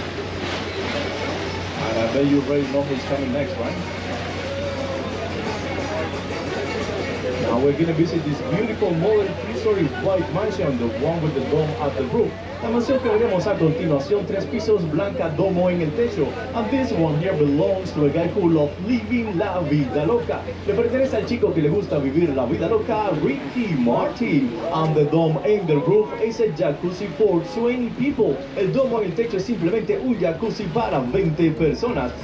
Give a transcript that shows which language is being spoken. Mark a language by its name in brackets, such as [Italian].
[English] And I bet you already know who's coming next, right? No. And we're going to visit this beautiful modern three-story white mansion, the one with the dome at the roof. [Spanish] La mansión que veremos a continuación, tres pisos, blanca, domo en el techo. [English] And this one here belongs to a guy who loves living [Spanish] la vida loca. Le pertenece al chico que le gusta vivir la vida loca, Ricky Martin. [English] And the dome in the roof is a jacuzzi for 20 people. [Spanish] El domo en el techo es simplemente un jacuzzi para 20 personas.